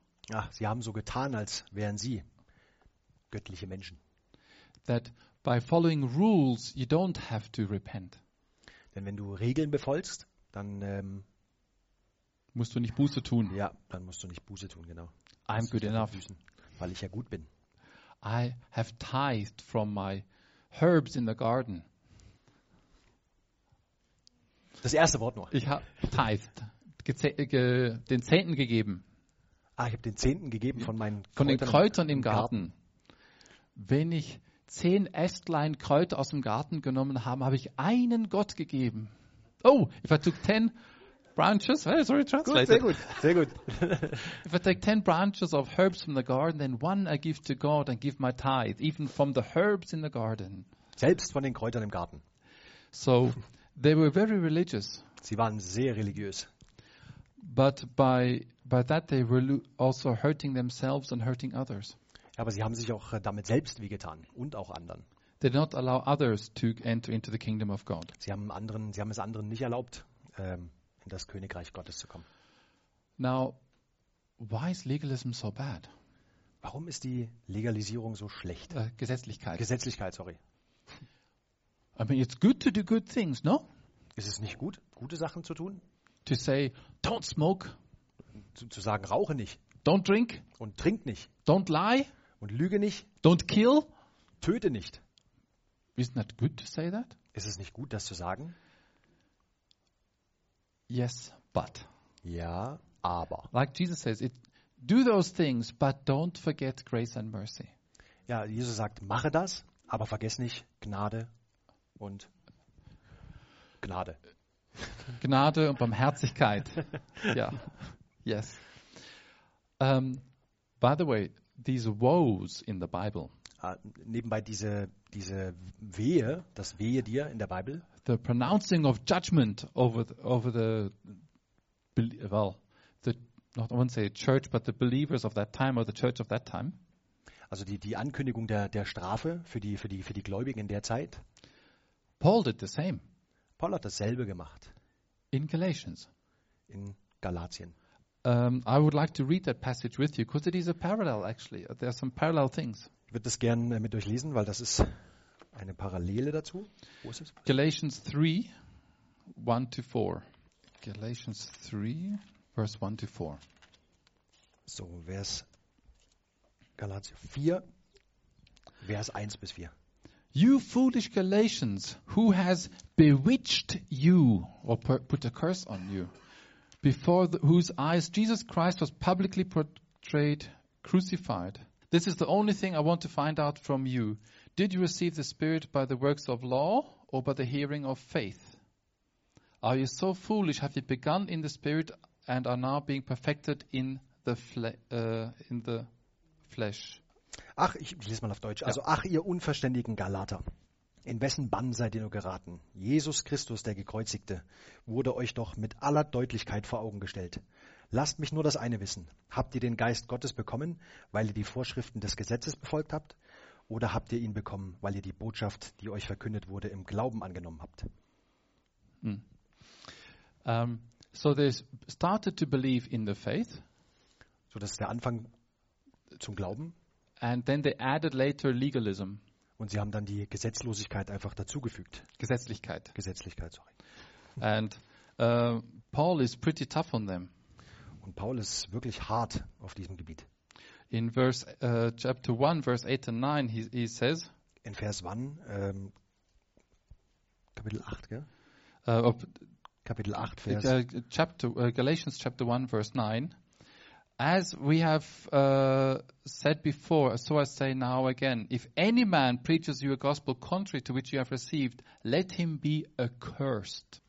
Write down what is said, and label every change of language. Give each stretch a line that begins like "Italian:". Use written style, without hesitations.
German: Ja, sie haben so getan, als wären sie göttliche Menschen.
English: That by following rules you don't have to repent.
German: Denn wenn du Regeln befolgst, dann musst du nicht Buße tun. Ja, dann musst du nicht Buße tun, genau.
English: I'm good enough. Füßen,
German: weil ich ja gut bin.
English: I have tithed from my herbs in the garden.
German: Das erste Wort nur. Ich habe tithed, den Zehnten gegeben. Ich habe den Zehnten gegeben von meinen Kräutern. Von den Kräutern im Garten. Wenn ich 10 Ästlein Kräuter aus dem Garten genommen habe, habe ich einen Gott gegeben.
English: Oh, if I took 10 branches, sorry, translated.
German: Gut, sehr gut.
English: If I take 10 branches of herbs from the garden, then one I give to God and give my tithe, even from the herbs in the garden.
German: Selbst von den Kräutern im Garten.
English: So, they were very religious.
German: Sie waren sehr religiös.
English: But by that they were also hurting themselves and hurting others.
German: Ja, aber sie haben sich auch damit selbst wehgetan und auch anderen.
English: They did not allow others to enter into the kingdom of God.
German: Sie haben es anderen nicht erlaubt, in das Königreich Gottes zu kommen.
English: Now, why is legalism so bad?
German: Warum ist die Legalisierung so schlecht? Gesetzlichkeit.
English: I mean, it's good to do good things, no?
German: Ist es nicht gut, gute Sachen zu tun?
English: To say, don't smoke.
German: Zu sagen, rauche nicht.
English: Don't drink.
German: Und trink nicht.
English: Don't lie.
German: Und lüge nicht.
English: Don't kill.
German: Töte nicht.
English: Isn't that good to say that?
German: Ist es nicht gut, das zu sagen?
English: Yes, but.
German: Ja, aber.
English: Like Jesus says, do those things, but don't forget grace and mercy.
German: Ja, Jesus sagt, mache das, aber vergiss nicht Gnade und Gnade. Gnade und Barmherzigkeit. Ja.
English: Yes. By the way, these woes in the Bible.
German: Nebenbei diese Wehe, das Wehe dir in der Bibel.
English: The pronouncing of judgment over the believers of that time or the church of that time.
German: Also die Ankündigung der Strafe für die Gläubigen in der Zeit.
English: Paul did the same.
German: Paul hat dasselbe gemacht.
English: In Galatians.
German: In Galatien.
English: I would like to read that passage with you, because it is a parallel actually. There are some parallel things.
German: Ich würde das gerne mit euch lesen, weil das ist eine Parallele dazu. Wo ist es?
English: Galatians 3, 1 to 4. Galatians 3, verse 1 to 4.
German: So, Vers Galatians 4, Vers 1 bis 4.
English: You foolish Galatians, who has bewitched you or put a curse on you, before whose eyes Jesus Christ was publicly portrayed, crucified. This is the only thing I want to find out from you. Did you receive the Spirit by the works of law or by the hearing of faith? Are you so foolish? Have you begun in the Spirit and are now being perfected in the flesh?
German: Ach, ich lese mal auf Deutsch. Also, ach, ihr unverständigen Galater, in wessen Bann seid ihr nur geraten? Jesus Christus, der Gekreuzigte, wurde euch doch mit aller Deutlichkeit vor Augen gestellt. Lasst mich nur das eine wissen. Habt ihr den Geist Gottes bekommen, weil ihr die Vorschriften des Gesetzes befolgt habt? Oder habt ihr ihn bekommen, weil ihr die Botschaft, die euch verkündet wurde, im Glauben angenommen habt?
English: So they started to believe in the faith.
German: So, das ist der Anfang zum Glauben.
English: And then they added later legalism.
German: Und sie haben dann die Gesetzlosigkeit einfach dazugefügt. Gesetzlichkeit,
English: sorry. And Paul is pretty tough on them.
German: Und Paul ist wirklich hart auf diesem Gebiet.
English: In verse chapter 1, verse 8 and 9, he says.
German: In Vers 1, Kapitel 8, gell? Kapitel 8, Vers.
English: Galatians chapter 1, verse 9. As we have said before, so I say now again, if any man preaches you a gospel contrary to which you have received, let him be accursed.